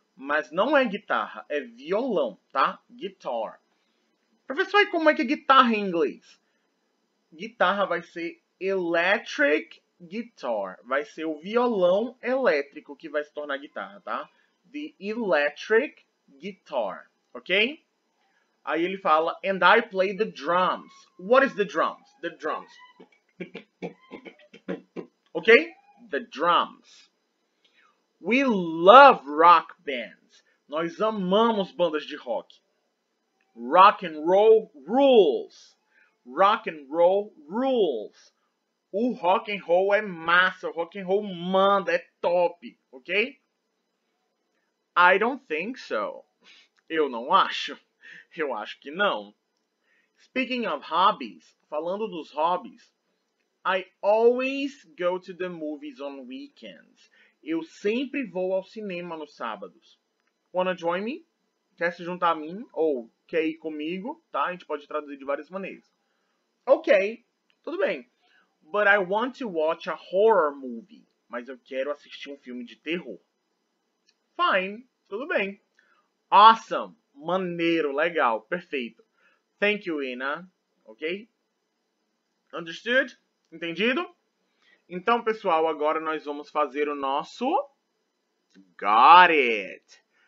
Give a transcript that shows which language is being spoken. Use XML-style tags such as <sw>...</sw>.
<pt>Mas não é guitarra, é violão, tá? Guitar. Professor, e como é que é guitarra em inglês? Guitarra vai ser electric guitar. Vai ser o violão elétrico que vai se tornar guitarra, tá?</pt> <en>The electric guitar, ok?</en> <pt>Aí ele fala,</pt> <en>and I play the drums. What is the drums? The drums. Ok? The drums. We love rock bands.</en> <pt>Nós amamos bandas de rock.</pt> <en>Rock and roll rules. rock and roll rules.</en> <pt>O rock and roll é massa, o rock and roll manda, é top, ok?</pt> <en>I don't think so.</en> <pt>Eu não acho. Eu acho que não.</pt> <en>Speaking of hobbies,</en> <pt>falando dos hobbies,</pt> <en>I always go to the movies on weekends.</en> <pt>Eu sempre vou ao cinema nos sábados.</pt> <en>Wanna join me?</en> <pt>Quer se juntar a mim? Ou quer ir comigo? Tá? A gente pode traduzir de várias maneiras. Ok, tudo bem.</pt> <en>But I want to watch a horror movie.</en> <pt>Mas eu quero assistir um filme de terror.</pt> <en>Fine,</en> <pt>tudo bem.</pt> <en>Awesome,</en> <pt>maneiro, legal, perfeito.</pt> <en>Thank you, Ina. Ok? Understood?</en> <pt>Entendido? Então, pessoal, agora nós vamos fazer o nosso...</pt> <en>Got it!</en>